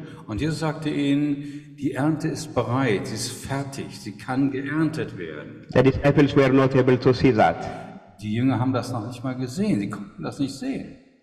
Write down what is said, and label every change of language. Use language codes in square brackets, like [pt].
[de] Und Jesus sagte ihnen, die Ernte ist bereit, sie ist fertig, sie kann geerntet werden. [en] The disciples were not able to see that. [de] Die Jünger haben das noch nicht mal gesehen, sie konnten das nicht sehen.